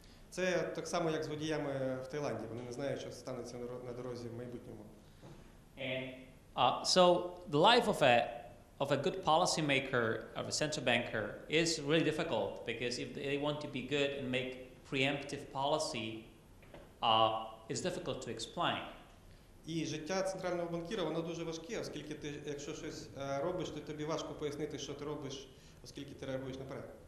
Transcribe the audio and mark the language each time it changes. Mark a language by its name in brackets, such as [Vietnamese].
[Ukrainian] Це так само як з водіями в Таїланді, вони не знають, що станеться на дорозі в майбутньому. [English] So the life of a good policymaker or a central banker is really difficult because if they want to be good and make preemptive policy, it's difficult to explain. [Ukrainian] І життя центрального банкіра, воно дуже важке, оскільки ти, якщо щось робиш, то тобі важко пояснити, що ти робиш, оскільки ти реагуєш наперед.